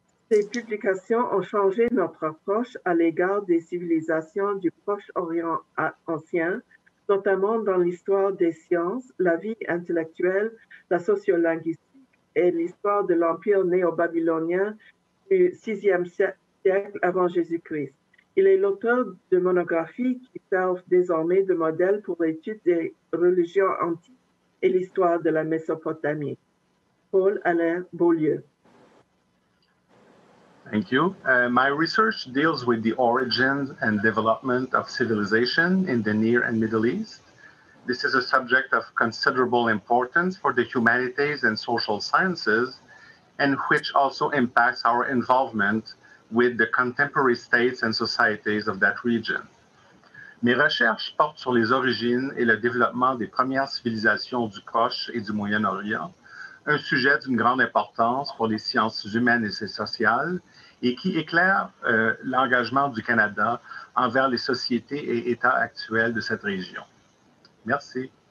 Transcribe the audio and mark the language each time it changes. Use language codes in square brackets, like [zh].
[fr] Ses publications ont changé notre approche à l'égard des civilisations du Proche-Orient ancien, notamment dans l'histoire des sciences, la vie intellectuelle, la sociolinguistique et l'histoire de l'Empire néo-babylonien du 6e siècle avant Jésus-Christ. Il est l'auteur de monographies qui servent désormais de modèle pour l'étude des religions antiques et l'histoire de la Mésopotamie. Paul-Alain Beaulieu. [en] Thank you. My research deals with the origins and development of civilization in the Near and Middle East. This is a subject of considerable importance for the humanities and social sciences, and which also impacts our involvement with the contemporary states and societies of that region. [fr] Mes recherches portent sur les origines et le développement des premières civilisations du Proche et du Moyen-Orient, un sujet d'une grande importance pour les sciences humaines et sociales et qui éclaire l'engagement du Canada envers les sociétés et états actuels de cette région. Merci.